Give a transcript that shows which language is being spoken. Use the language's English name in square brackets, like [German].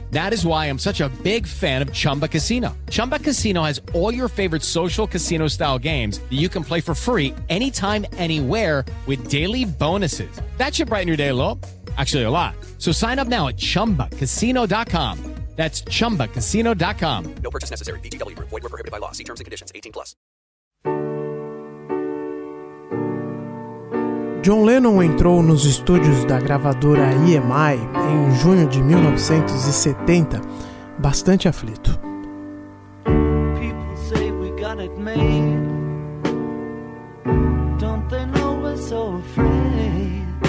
[English] That is why I'm such a big fan of Chumba Casino. Chumba Casino has all your favorite social casino style games that you can play for free anytime, anywhere with daily bonuses. That should brighten your day a little. Actually, a lot. So sign up now at chumbacasino.com. That's chumbacasino.com. No purchase necessary. VGW. Void where prohibited by law. See terms and conditions. 18 plus. [Portuguese] John Lennon entrou nos estúdios da gravadora EMI em junho de 1970, bastante aflito. [English] People say we got it made. Don't they know we're so afraid?